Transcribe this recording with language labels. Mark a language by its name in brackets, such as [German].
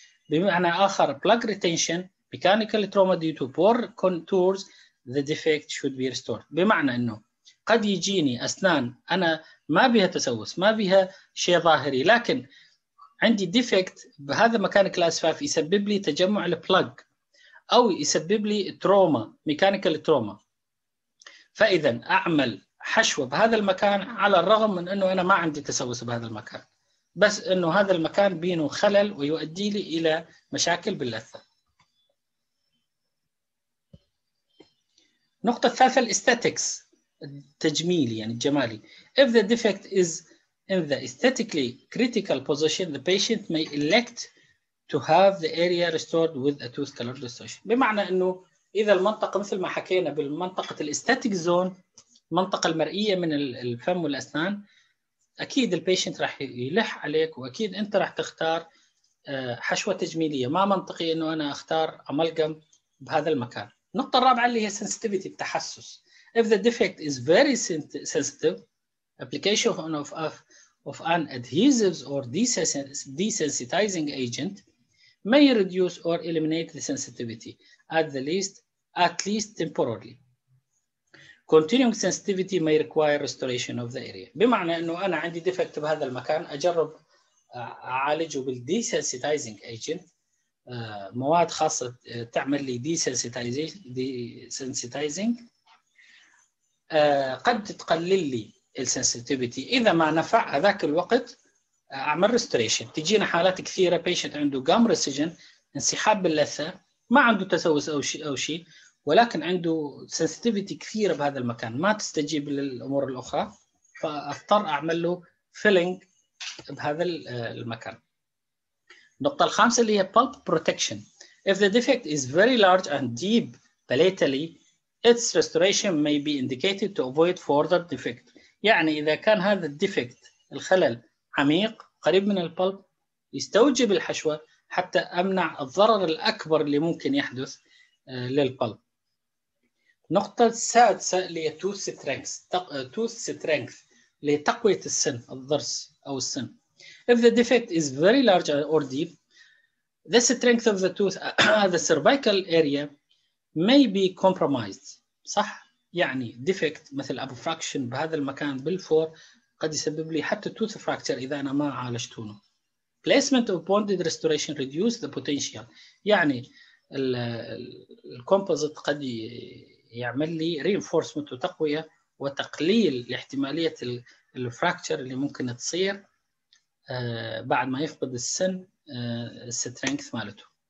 [Arabic] بمعنى آخر [English] plug retention, mechanical trauma due to poor contours, the defect should be restored. [Arabic] بمعنى أنه قد يجيني أسنان أنا ما بيها تسوس ما بيها شيء ظاهري لكن عندي ديفكت بهذا مكان كلاس 5 يسبب لي تجمع البلاج او يسبب لي تروما ميكانيكال تروما فاذا اعمل حشوه بهذا المكان على الرغم من انه انا ما عندي تسوس بهذا المكان بس انه هذا المكان بينه خلل ويؤدي لي الى مشاكل باللثه. النقطه الثالثه الاستاتكس التجميلي يعني الجمالي. [English] If the defect is in the aesthetically critical position, the patient may elect to have the area restored with a tooth color restoration. [Arabic] بمعنى انه اذا المنطقة مثل ما حكينا بالمنطقة الاستاتيك زون منطقة المرئية من الفم والاسنان اكيد البيشنت راح يلح عليك واكيد انت راح تختار حشوة تجميلية. ما منطقي انه انا اختار امالجم بهذا المكان. النقطة الرابعة اللي هي sensitivity التحسس. [English] If the defect is very sensitive, application of an adhesives or desensitizing agent may reduce or eliminate the sensitivity at least temporarily. Continuing sensitivity may require restoration of the area. [Arabic] بمعنى انه انا عندي defect بهذا المكان اجرب اعالجه بالdesensitizing agent مواد خاصة تعمل لي desensitizing قد تقلل لي السنسيتيفيتي. اذا ما نفع هذاك الوقت اعمل ريستوريشن. تجينا حالات كثيره بيشنت عنده جام ريسيجن انسحاب باللثه ما عنده تسوس او شيء ولكن عنده سنسيتيفيتي كثيره بهذا المكان ما تستجيب للامور الاخرى فاضطر اعمل له فيلينج بهذا المكان. النقطه الخامسه اللي هي بالب بروتكشن. [English] If the defect is very large and deep palatally, its restoration may be indicated to avoid further defect. [Arabic] يعني إذا كان هذا الديفكت الخلل عميق قريب من البلب يستوجب الحشوة حتى أمنع الضرر الأكبر اللي ممكن يحدث للبلب. نقطة السادسة اللي هي tooth strength لتقوية السن الضرس أو السن. [English] If the defect is very large or deep, the strength of the tooth the cervical area may be compromised. [Arabic] صح؟ يعني defect مثل abfraction بهذا المكان بالفور قد يسبب لي حتى tooth fracture إذا أنا ما عالجتونه. [English] Placement of bonded restoration reduce the potential. [Arabic] يعني الكومبوزيت قد يعمل لي reinforcement وتقوية وتقليل لاحتمالية الفراكتشر اللي ممكن تصير بعد ما يفقد السن strength مالته.